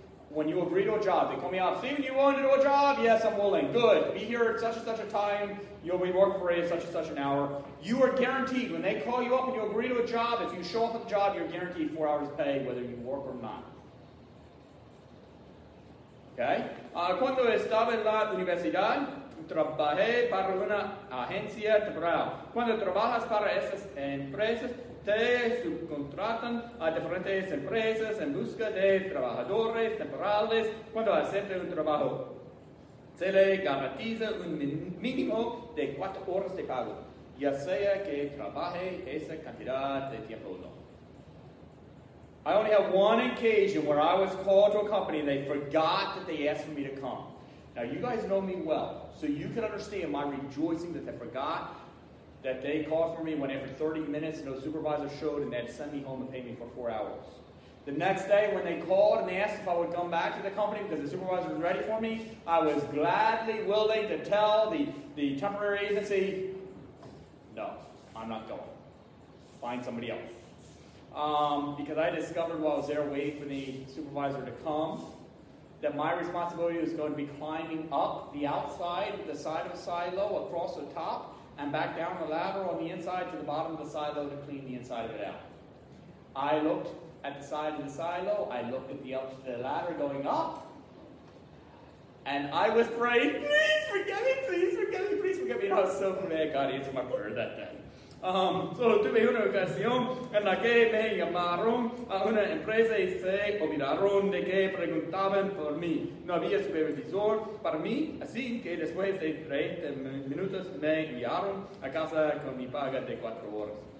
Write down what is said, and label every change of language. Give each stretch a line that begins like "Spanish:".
English: When you agree to a job, they call me up. Steven, you willing to do a job? Yes, I'm willing. Good. Be here at such and such a time. You'll be working for at such and such an hour. You are guaranteed. When they call you up and you agree to a job, if you show up at the job, you're guaranteed 4 hours pay, whether you work or not. Okay.
Spanish: Cuando estaba en la universidad, trabajé para una agencia temporal. Cuando trabajas para esas empresas, te subcontratan a diferentes empresas en busca de trabajadores temporales. Cuando aceptas un trabajo, se le garantiza un mínimo de 4 horas de pago, ya sea que trabaje esa cantidad de tiempo o no.
English: I only have one occasion where I was called to a company and they forgot that they asked me to come. Now, you guys know me well, so you can understand my rejoicing that they forgot that they called for me when every 30 minutes no supervisor showed and they'd send me home and pay me for 4 hours. The next day when they called and they asked if I would come back to the company because the supervisor was ready for me, I was gladly willing to tell the temporary agency, no, I'm not going. Find somebody else. Because I discovered while I was there waiting for the supervisor to come that my responsibility was going to be climbing up the outside, the side of the silo, across the top, and back down the ladder on the inside to the bottom of the silo to clean the inside of it out. I looked at the side of the silo, I looked at the up to the ladder going up, and I was praying, please forgive me, please forgive me, please forgive me. And I was so mad God answered my prayer that day.
Spanish: Solo tuve una ocasión en la que me llamaron a una empresa y se olvidaron de que preguntaban por mí. No había supervisor para mí, así que después de 30 minutos me enviaron a casa con mi paga de 4 horas.